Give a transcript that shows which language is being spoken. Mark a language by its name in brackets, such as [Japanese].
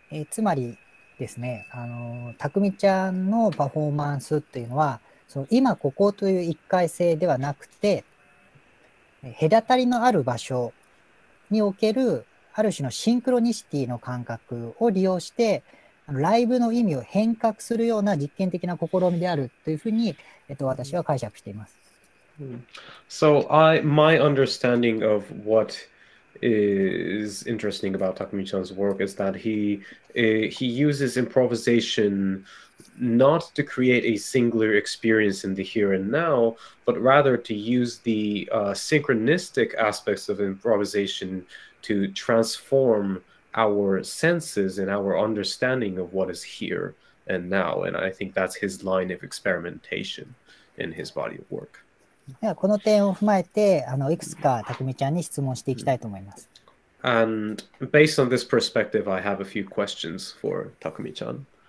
[Japanese] つまりですね、たくみちゃんのパフォーマンスっていうのは、その今ここという一回性ではなくて、隔たりのある場所におけるある種のシンクロニシティの感覚を利用して、ライブの意味を変革するような実験的な試みであるというふうに、私は解釈しています。 [English] So, my understanding of what is interesting about Takumi-chan's work is that he uses improvisation not to create a singular experience in the here and now, but rather to use the synchronistic aspects of improvisation to transform our senses and our understanding of what is here and now. And I think that's his line of experimentation in his body of work. [Japanese] ではこの点を踏まえて、いくつかたくみちゃんに質問していきたいと思います。 [English] And based on this perspective, I have a few questions for Takumi-chan.